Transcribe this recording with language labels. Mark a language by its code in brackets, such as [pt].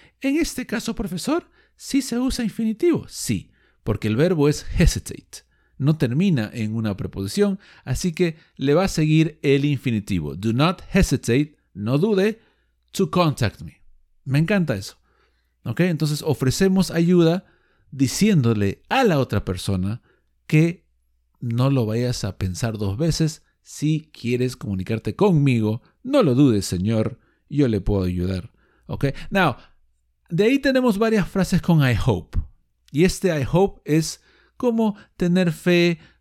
[es] En este caso, profesor, ¿sí se usa infinitivo? Sí, porque el verbo es hesitate. No termina en una preposición, así que le va a seguir el infinitivo. [en] Do not hesitate, [es] no dude, [en] to contact me. [es] Me encanta eso. ¿Ok? Entonces ofrecemos ayuda diciéndole a la otra persona que no lo vayas a pensar dos veces. Si quieres comunicarte conmigo, no lo dudes, señor. Yo le puedo ayudar. ¿Ok? Now, de ahí tenemos varias frases con I hope. Y este I hope es como tener fe,